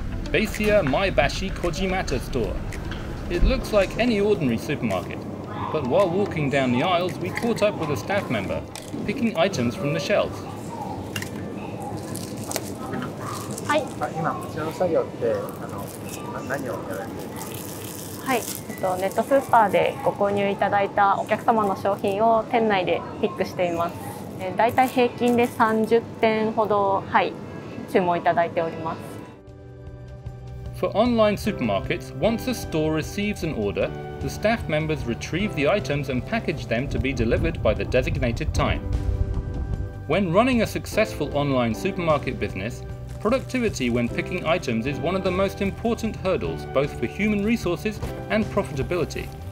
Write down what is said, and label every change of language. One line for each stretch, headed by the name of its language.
English: Beisia Maebashi Kojimata Store. It looks like any ordinary supermarket, but while walking down the aisles, we caught up with a staff member, picking items from the shelves.
Japanese: はい、今こちらの作業って、何をやられてるんですか?はい、ネットスーパーでご購入いただいたお客様の商品を店内でピックしています。大体平均で30点ほど、はい、注文いただいております。
English: For online supermarkets, once a store receives an order, the staff members retrieve the items and package them to be delivered by the designated time. When running a successful online supermarket business, productivity when picking items is one of the most important hurdles, both for human resources and profitability.